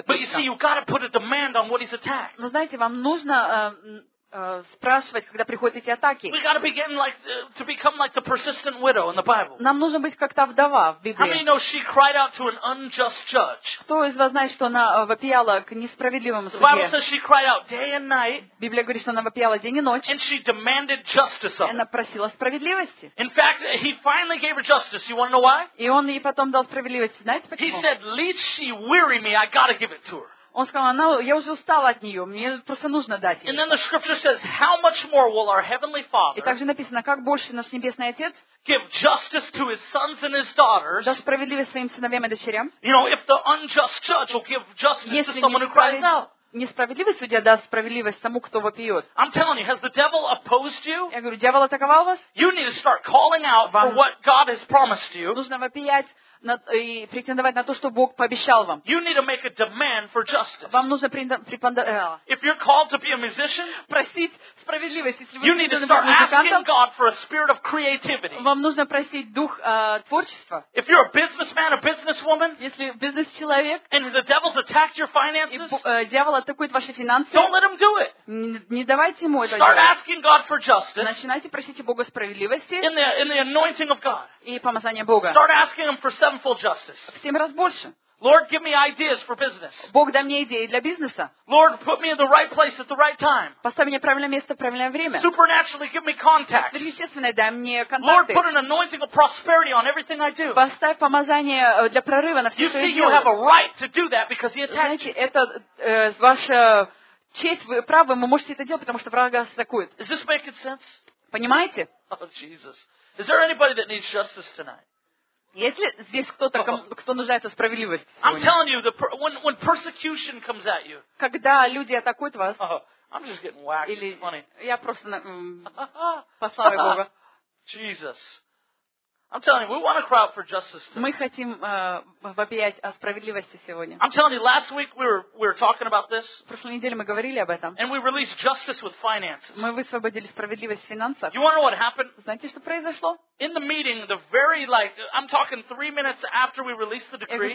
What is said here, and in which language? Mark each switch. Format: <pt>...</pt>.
<en>But you see, you've got to put a demand on what he's attacked.</en> <ru>Но знаете, вам нужно спрашивать, когда приходят эти атаки.</ru> <en>We got to begin like to become like the persistent widow in the Bible.</en> <ru>Нам нужно быть как та вдова в Библии.</ru> <en>How many know she cried out to an unjust judge?</en> <ru>Кто из вас знает, что она вопияла к несправедливому судье?</ru> <en>The Bible says she cried out day and night.</en> <ru>Библия говорит, что она вопияла день и ночь.</ru> <en>And she demanded justice of.</en> <ru>Она просила справедливости.</ru> <en>In fact, he finally gave her justice. You want to know why?</en> <ru>И он ей потом дал справедливость. Знаете почему?</ru> <en>He said, "Lest she weary me, I got to give it to her."</en> <ru>Он сказал, она, я уже устала от нее, мне просто нужно дать ей.</ru> <en>And then the scripture says, how much more will our heavenly Father?</en> <ru>И также написано, как больше наш небесный отец?</ru> <en>Give justice to his sons and his daughters.</en> <ru>Даст справедливость своим сыновьям и дочерям.</ru> <en>You know, if the unjust judge will give justice</en> <ru>Если</ru> <en>to someone who cries out.</en> <ru>Несправедливый судья даст справедливость тому, кто вопиет.</ru> <en>I'm telling you, has the devil opposed you?</en> <ru>Я говорю, дьявол атаковал вас?</ru> <en>You need to start calling out for what God has promised you.</en> <ru>Нужно вопиять. И претендовать на то, что Бог пообещал вам.</ru> <en>You need to make a demand for justice.</en> <ru>Вам нужно претендовать.</ru> <en>If you're called to be a musician,</en> <ru>просить справедливость, если вы</ru> <en>You need to start asking God for a spirit of creativity.</en> <ru>Вам нужно просить дух творчества.</ru> <en>If you're a businessman, a businesswoman,</en> <ru>если бизнес-человек,</ru> <en>and the devil's attacked your finances,</en> <ru>и дьявол атакует ваши финансы,</ru> <en>don't let him do it.</en> <ru>Не давайте ему это делать.</ru> <en>Start asking God for justice.</en> <ru>Начинайте просить Бога справедливости.</ru> <en>In the anointing of God.</en> <ru>И помазание Бога.</ru> <en>Start asking him for sevenfold justice.</en> <ru>В 7 раз больше.</ru> <en>Lord, give me ideas for business.</en> <ru>Бог, дай мне идеи для бизнеса.</ru> <en>Lord, put me in the right place at the right time.</en> <ru>Поставь меня в правильное место в правильное время.</ru> <en>Supernaturally, give me contacts.</en> <ru>Сверхъестественно, дай мне контакты.</ru> <en>Lord, put an anointing of prosperity on everything I do.</en> <ru>Поставь помазание для прорыва на все, что я делаю.</ru> <en>You see, you have a right to do that because he attacked you.</en> <ru>Знаете, это ваша честь, вы правы, вы можете это делать, потому что враг вас атакует.</ru> <en>Is this making sense?</en> <ru>Понимаете?</ru> <en>Oh, Jesus. Is there anybody that needs justice tonight?</en> <ru>Есть ли здесь кто-то, кто нуждается в справедливости?</ru> <en>I'm telling you, when persecution comes at you.</en> <ru>Когда люди атакуют вас.</ru> <en>I'm just getting whacked.</en> <ru>Или</ru> <en>it's funny.</en> <ru>Я просто послаю Бога.</ru> <en>Jesus. I'm telling you, we want to cry out for justice today.</en> <ru>Мы хотим вопиять о справедливости сегодня.</ru> <en>I'm telling you, last week we were talking about this.</en> <ru>В прошлой неделе мы говорили об этом.</ru> <en>And we released justice with finances.</en> <ru>Мы высвободили справедливость в финансах.</ru> <en>You want to know what happened?</en> <ru>Знаете, что произошло?</ru> <en>In the meeting, the very like I'm talking 3 minutes after we released the decree.</en>